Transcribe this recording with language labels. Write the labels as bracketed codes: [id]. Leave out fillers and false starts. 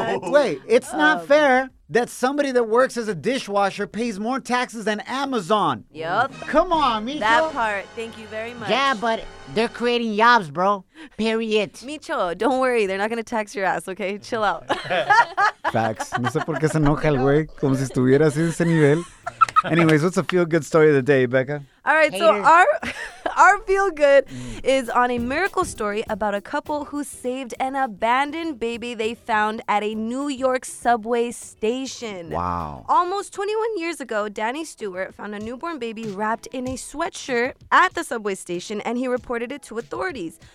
[en] Wait, it's not fair that somebody that works as a dishwasher pays more taxes than Amazon. Yup. Come on, Micho. That part, thank you very much. Yeah, but they're creating jobs, bro. Period. Micho, don't worry. They're not going to tax your ass, okay? Chill out. Facts. [es] No sé por qué se enoja el güey. Como si estuviera así de ese nivel. [en] Anyways, what's a feel-good story of the day, Becca? All right, haters. So our feel-good is on a miracle story about a couple who saved an abandoned baby they found at a New York subway station. Wow. Almost 21 years ago, Danny Stewart found a newborn baby wrapped in a sweatshirt at the subway station, and he reported it to authorities.